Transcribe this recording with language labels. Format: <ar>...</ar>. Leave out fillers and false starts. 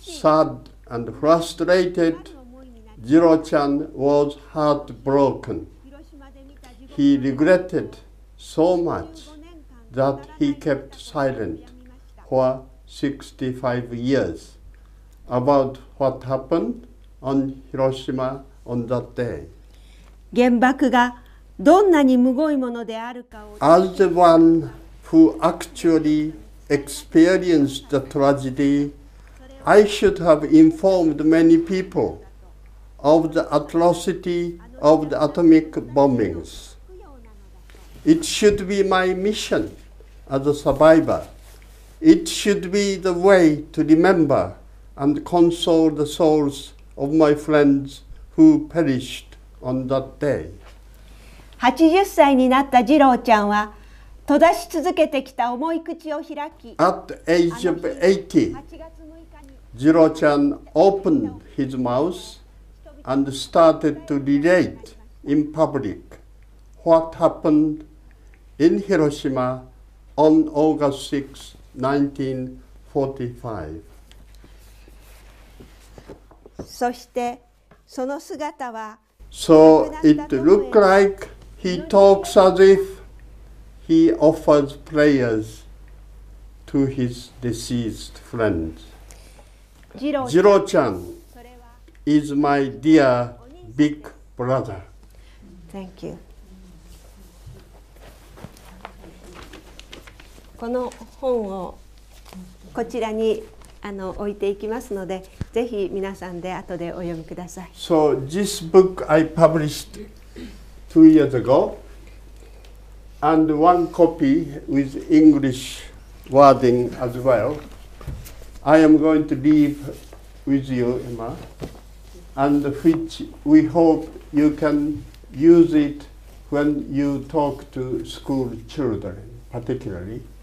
<en>Sad and frustrated, Jiro-chan was heartbroken. He regretted so much that he kept silent for 65 years about what happened on Hiroshima on that day.</en> <ja>原爆がどんなにむごいものであるかを</ja> <en>As the one who actually experienced the tragedy, I should have informed many people of the atrocity of the atomic bombings. It should be my mission as a survivor. It should be the way to remember and console the souls of my friends who perished. On that day.</en> <ja>80歳になったジローちゃんは閉ざし続けてきた重い口を開き</ja> <en>At the age of 80, ジローちゃん opened his mouth and started to relate in public what happened in Hiroshima on August 6, 1945.</en> <ja>そしてその姿は</ja> <en>So it looked like he talks as if he offers prayers to his deceased friends. Jiro-chan is my dear big brother. Thank you.</en> <ja>この本をこちらに置いていきますので、ぜひ皆さんで後でお読みください。</ja> <en>So this book I published 2 years ago, and one copy with English wording as well. I am going to leave with you, Emma. and which we hope you can use it when you talk to school children, particularly.</en>